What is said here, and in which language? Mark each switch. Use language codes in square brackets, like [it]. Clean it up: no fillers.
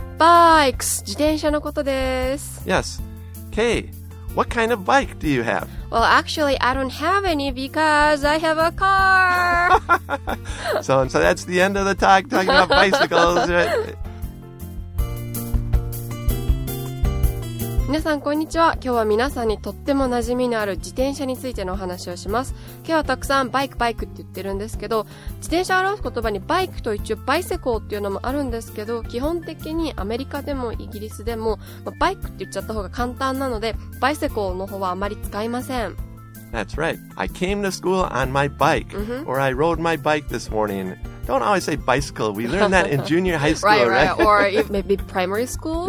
[ja] bikes. 自転車のことです。 [en] Yes. Kay, what kind of bike do you have? Well, actually, I don't have any because I have a car. So that's the end of the talk, talking about bicycles, right? [ja] 皆さんこんにちは。今日は皆さんにとっても馴染みのある自転車についてのお話をします。今日はたくさんバイクって言ってるんですけど、自転車を表す言葉にバイクと一応バイセコーっていうのもあるんですけど、基本的にアメリカでもイギリスでも、バイクって言っちゃった方が簡単なので、バイセコーの方はあまり使いません。 [en] That's right. I came to school on my bike、mm-hmm. or I rode my bike this morning. Don't always say bicycle. We learned that in junior high school, right? Or maybe primary school.